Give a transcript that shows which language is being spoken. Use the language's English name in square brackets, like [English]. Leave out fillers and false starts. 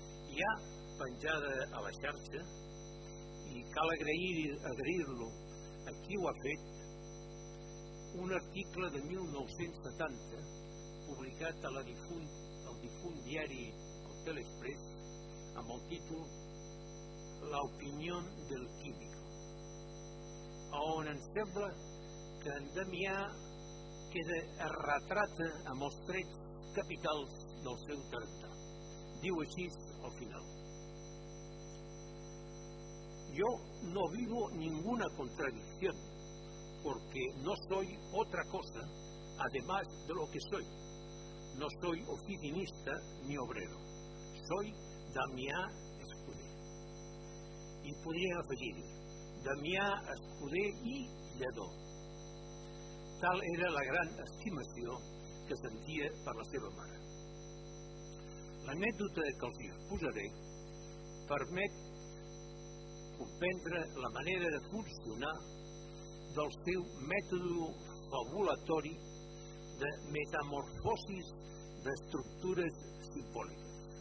[Catalan] Hi ha penjada a la xarxa, i cal agrair-lo a qui ho ha fet, un article de 1970 publicat a el difunt diari El Telexpress amb el títol L'opinió del químic, on ens sembla que en Damià queda retrata amb els trets capitals del seu tarannà. [Spanish] Diu així al final: Yo no vivo ninguna contradicción, porque no soy otra cosa además de lo que soy. No soy oficinista ni obrero. Soy Damià Escudé. [Catalan] I podria afegir Damià Escudé i Lledó. Tal era la gran estimació que sentia per la seva mare. L'anècdota que els exposaré permet comprendre la manera de funcionar del seu mètode fabulatori de metamorfosis d'estructures simbòliques.